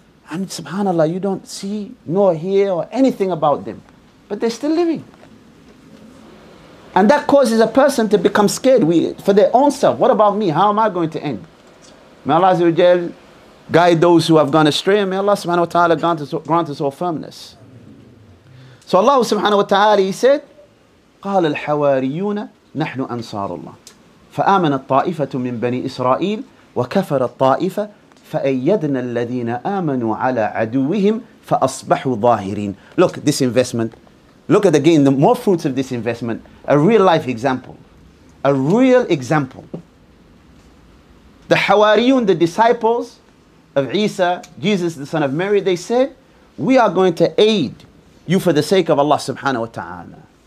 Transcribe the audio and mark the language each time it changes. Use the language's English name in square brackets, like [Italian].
[English] And subhanAllah, you don't see nor hear or anything about them. But they're still living. And that causes a person to become scared for their own self. What about me? How am I going to end? May Allah Azza wa Jal guide those who have gone astray. And may Allah subhanahu wa ta'ala grant us all firmness. So Allah subhanahu wa ta'ala, he said, [Arabic] قَالَ الْحَوَارِيُّونَ نَحْنُ أَنصَارُ اللَّهِ فَآمَنَ الطَّائِفَةُ مِنْ بَنِي إِسْرَائِيلِ وَكَفَرَ الطَّائِفَةُ فَأَيَّدْنَا الَّذِينَ آمَنُوا عَلَى عَدُوِّهِمْ فَأَصْبَحُوا ظَاهِرِينَ. [English] Look, this investment. Look at again the more fruits of this investment. A real life example. a real example. The Hawariyun, the disciples of Isa, Jesus, the son of Mary, they said, we are going to aid you for the sake of Allah subhanahu wa ta'ala.